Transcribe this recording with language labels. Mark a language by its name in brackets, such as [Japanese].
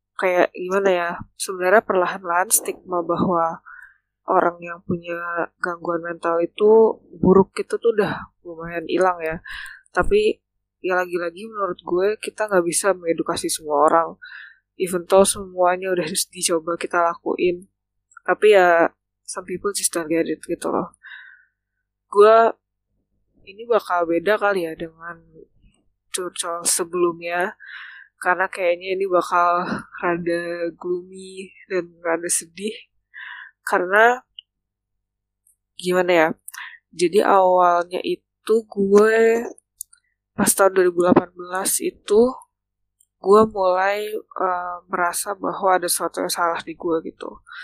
[Indonesian] Kayak gimana ya, sebenarnya perlahan-lahan stigma bahwa orang yang punya gangguan mental itu buruk itu tuh udah lumayan hilang ya. Tapi ya lagi-lagi menurut gue kita gak bisa mengedukasi semua orang. [English] Even though [Indonesian] semuanya udah dicoba kita lakuin. Tapi ya [English] some people just don't get it [Indonesian] gitu loh. Gue ini bakal beda kali ya dengan curcol sebelumnya. Karena kayaknya ini bakal rada gloomy dan rada sedih. Karena gimana ya, jadi awalnya itu gue pas tahun 2018 itu gue mulai merasa bahwa ada sesuatu yang salah di gue gitu.